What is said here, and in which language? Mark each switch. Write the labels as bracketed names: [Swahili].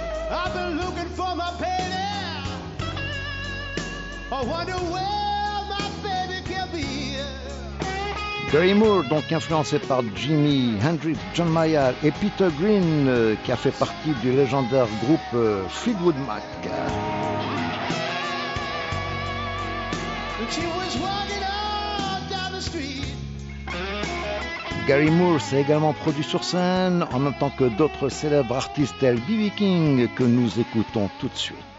[English] I've been looking for my baby. I wonder where my baby can be. [French] Gary Moore, donc influencé par Jimi Hendrix, John Mayall et Peter Green, qui a fait partie du légendaire groupe Fleetwood Mac. [English] She was walking out down the street. [French] Gary Moore s'est également produit sur scène en même temps que d'autres célèbres artistes tels B.B. King que nous écoutons tout de suite.